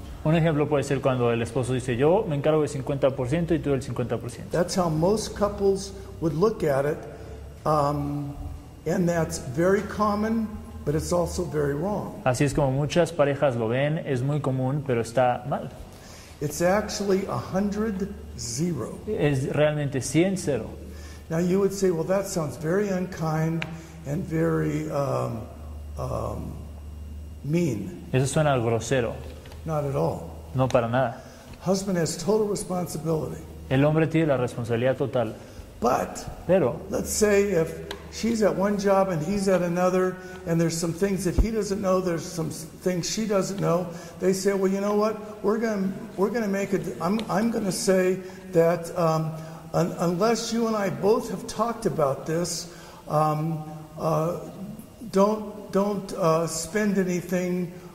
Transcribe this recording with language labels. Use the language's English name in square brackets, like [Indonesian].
[Spanish] Un ejemplo puede ser cuando el esposo dice, yo me encargo del 50% y tú del 50%. [English] That's how most couples would look at it, and that's very common, but it's also very wrong. [Spanish] Así es como muchas parejas lo ven, es muy común, pero está mal. [English] It's actually 100-0. [Spanish] Es realmente 100-0. [English] Now you would say, well, that sounds very unkind and very mean. [Spanish] Eso suena grosero. [English] Not at all. [Spanish] No para nada. [English] Husband has total responsibility. [Spanish] El hombre tiene la responsabilidad total. [English] But, [Spanish] pero, [English] let's say if she's at one job and he's at another, and there's some things that he doesn't know, there's some things she doesn't know. They say, well, you know what? We're gonna make it. I'm gonna say that unless you and I both have talked about this, don't spend anything.